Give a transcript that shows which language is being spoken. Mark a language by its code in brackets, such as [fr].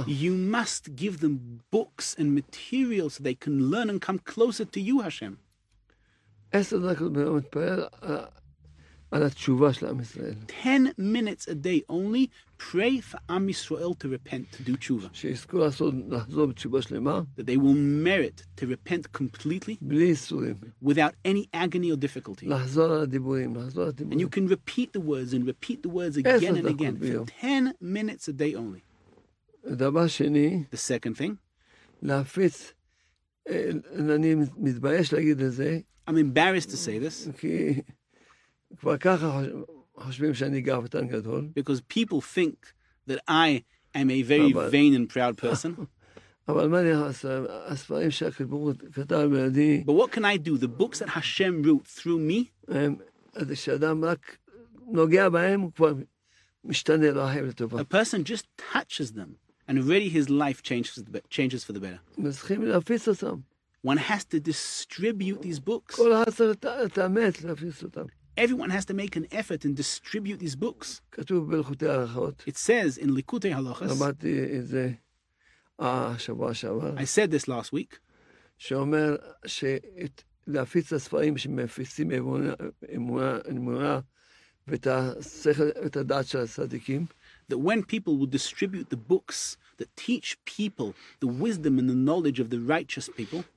[en] You must give them books and materials so they can learn and come closer to you, Hashem. [he] 10 דקות ביום מתפלל על התשובה של עם ישראל. [en] 10 minutes a day only, pray for Am Yisrael to repent, to do tshuva. [he] שיזכו לעשות, לחזור בתשובה שלמה. [en] That they will merit to repent completely. [he] בלי ייסורים. [en] Without any agony or difficulty. [he] לחזור על הדיבורים, לחזור על הדיבורים. [en] And you can repeat the words and repeat the words again and again. For 10 minutes a day only. [he] דבר שני. [en] The second thing. [he] להפיץ. אני מתבייש להגיד את זה. [en] I'm embarrassed to say this. [he] כי כבר ככה חושבים שאני גאוותן גדול. [en] Because people think that I am a very vain and proud person. [he] אבל מה אני עושה? הספרים שהקדוש כתב בידי. [en] But what can I do? The books that Hashem wrote through me. [he] אז כשאדם רק נוגע בהם, הוא כבר משתנה לו החיים לטובה. [en] A person just touches them, and already his life changes for the better. [he] צריכים להפיץ אותם. [en] One has to distribute these books. [he] כל אחד צריך להתאמץ להפיץ אותם. [en] Everyone has to make an effort and distribute these books. [he] כתוב בלכותי הלכות. [en] It says in Likutei Halachas. [he] למדתי את זה השבוע שעבר. [en] I said this last week. [he] שאומר שלהפיץ הספרים שמפיצים אמונה ואת הדעת של הצדיקים. [en] that when people will distribute the books that teach people the wisdom and the knowledge of the righteous people,